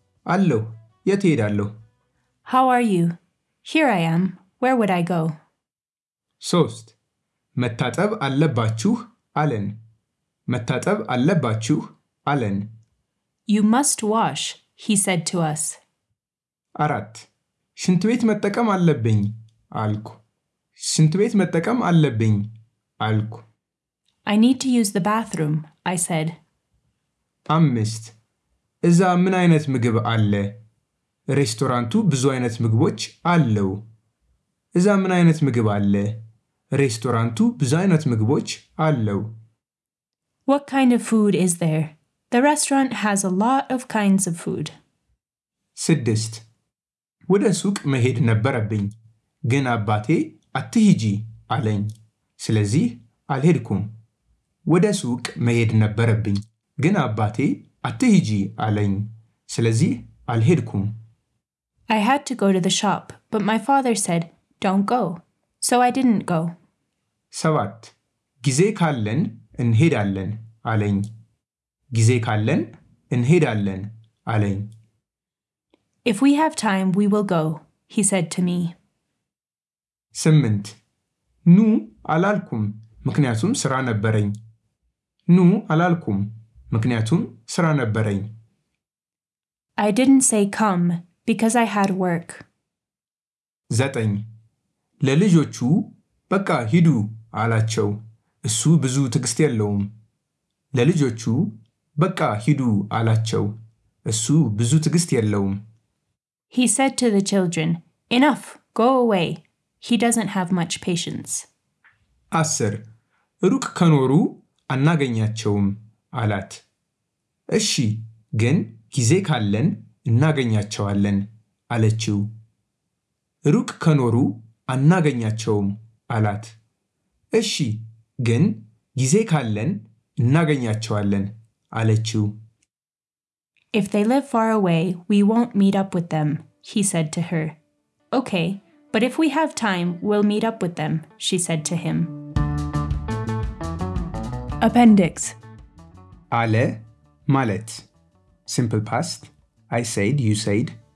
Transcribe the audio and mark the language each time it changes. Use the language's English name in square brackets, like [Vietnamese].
[Amharic] Allo, yeti dallo. [English] How are you? Here I am. Where would I go? [Amharic] Sost. Metatab alle bachuh, allen. Metatab alle bachuh, allen. [English] You must wash, he said to us. [Amharic] Arat. ሽንት ቤት መጠቀም አለብኝ አልኩ። ሽንት ቤት መጠቀም አለብኝ አልኩ። [English] I need to use the bathroom, I said. [Amharic] አምስት እዛ ምን አይነት ምግብ አለ? ሬስቶራንቱ ብዙ አይነት ምግቦች አለው። እዛ ምን አይነት ምግብ አለ? ሬስቶራንቱ ብዙ አይነት ምግቦች አለው። [English] What kind of food is there? The restaurant has a lot of kinds of food. [Amharic] ስድስት ወደ ሱቅ መሄድ ነበረብኝ ግን አባቴ አትሂጂ አለኝ ስለዚህ አልሄድኩም። ወደ ሱቅ መሄድ ነበረብኝ ግን አባቴ አትሂጂ አለኝ ስለዚህ አልሄድኩም። [English] I had to go to the shop, but my father said, don't go. So I didn't go. [Amharic] ሰባት ጊዜ ካለን እንሄዳለን አለኝ። ጊዜ ካለን እንሄዳለን አለኝ። [English] If we have time, we will go, he said to me. [Amharic] ስምንት ኑ አላልኩም ምክንያቱም ስራ ነበረኝ። ኑ አላልኩም ምክንያቱም ስራ ነበረኝ። [English] I didn't say come because I had work. [Amharic] ዘጠኝ ለልጆቹ በቃ ሂዱ አላቸው እሱ ብዙ ትግስት የለውም። ለልጆቹ በቃ ሂዱ አላቸው እሱ ብዙ ትግስት የለውም። [English] He said to the children, enough, go away. He doesn't have much patience. [Amharic] አስር ሩቅ ከኖሩ አናገኛቸውም አላት። እሺ ግን ጊዜ ካለን እናገኛቸዋለን አለችው። ሩቅ ከኖሩ አናገኛቸውም አላት። እሺ ግን ጊዜ ካለን እናገኛቸዋለን አለችው። [English] If they live far away, we won't meet up with them, he said to her. Okay, but if we have time, we'll meet up with them, she said to him. Appendix. [Amharic] አለ ማለት [English] simple past, I said, you said.